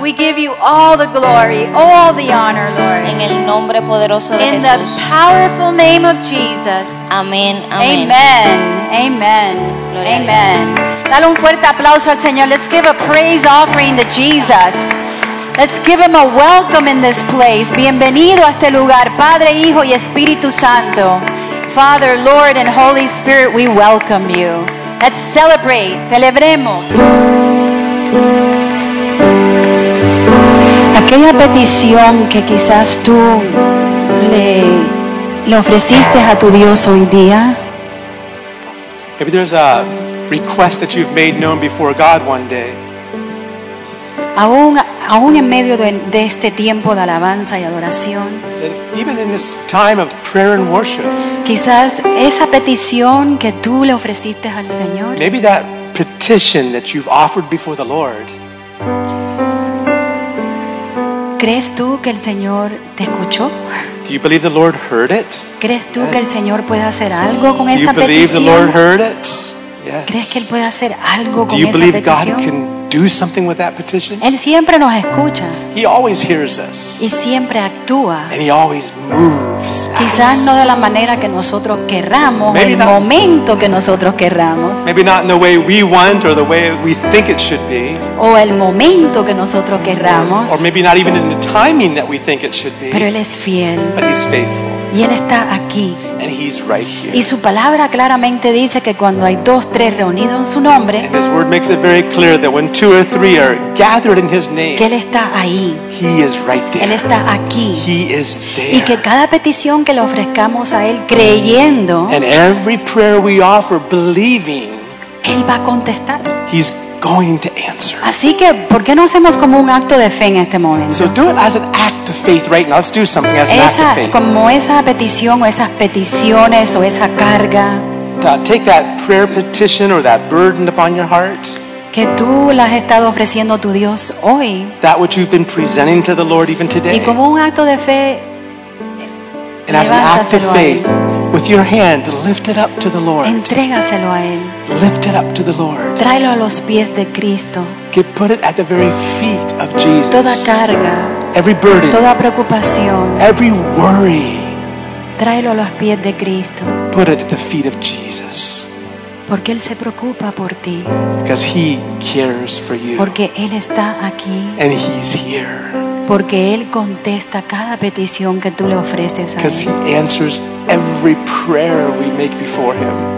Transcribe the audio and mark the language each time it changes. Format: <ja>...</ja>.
<en>We give you all the glory, all the honor, Lord.</en> <es>En el nombre poderoso de</es> <en>In</en> <es>Jesús.</es> <en>In the powerful name of Jesus.</en> <es>Amén. Amén. Amen. Amen. Amen. Dale un fuerte aplauso al Señor.</es> <en>Let's give a praise offering to Jesus. Let's give him a welcome in this place.</en> <es>Bienvenido a este lugar, Padre, Hijo y Espíritu Santo.</es> <en>Father, Lord, and Holy Spirit, we welcome you. Let's celebrate.</en> <es>Celebremos. aquella petición que quizás tú le ofreciste a tu Dios hoy día.</es> <en>Maybe there's a request that you've made known before God one day.</en> <es>Aún en medio de este tiempo de alabanza y adoración.</es> <en>And even in this time of prayer and worship.</en> <es>Quizás esa petición que tú le ofreciste al Señor.</es> <en>Maybe that petition that you've offered before the Lord.</en> <es>¿Crees tú que el Señor te escuchó?</es> <en>Do you believe the Lord heard it?</en> <es>¿Crees tú que el Señor puede hacer algo con esa petición?</es> <en>Do you believe the Lord heard it? Yes.</en> <es>¿Crees que él puede hacer algo con esa petición?</es> <en>Do you believe God can do something with that petition?</en> <es>Él siempre nos escucha.</es> <en>He always hears us.</en> <es>Y siempre actúa.</es> <en>And he always moves.</en> <es>Quizás no de la manera que nosotros querramos, el momento que nosotros querramos.</es> <en>Maybe not in the way we want or the way we think it should be.</en> <es>O el momento que nosotros querramos.</es> <en>Or maybe not even in the timing that we think it should be.</en> <es>Pero él es fiel.</es> <en>But he's faithful.</en> <es>Y él está aquí.</es> <en>And he's right here.</en> <es>Y su palabra claramente dice que cuando hay dos, tres reunidos en su nombre.</es> <en>And his word makes it very clear that when two or three are gathered in his name.</en> <es>Que él está ahí.</es> <en>He is right there.</en> <es>Él está aquí.</es> <en>He is there.</en> <es>Y que cada petición que le ofrezcamos a él creyendo.</es> <en>And every prayer we offer believing.</en> <es>Él va a contestar.</es> <en>He's going to answer.</en> <es>Así que, ¿por qué no hacemos como un acto de fe en este momento?</es> <en>So do it as an act of faith right now. Let's do something as an</en> <es>esa,</es> <en>act of faith.</en> <es>Como esa petición o esas peticiones o esa carga.</es> <en>Take that prayer petition or that burden upon your heart.</en> <es>Que tú la has estado ofreciendo a tu Dios hoy.</es> <en>That which you've been presenting to the Lord even today.</en> <es>Y como un acto de fe.</es> <en>And as an act of faith, with your hand, lift it up to the Lord.</en> <es>Entrégaselo a él.</es> <en>Lift it up to the Lord.</en> <es>Tráelo a los pies de Cristo.</es> <en>Put it at the very feet of Jesus.</en> <es>Toda carga.</es> <en>Every burden.</en> <es>Toda preocupación.</es> <en>Every worry.</en> <es>Tráelo a los pies de Cristo.</es> <en>Put it at the feet of Jesus.</en> <es>Porque él se preocupa por ti.</es> <en>Because he cares for you.</en> <es>Porque él está aquí.</es> <en>And he's here.</en> <es>Porque él contesta cada petición que tú le ofreces a él.</es> <en>Because he answers every prayer we make before him.</en>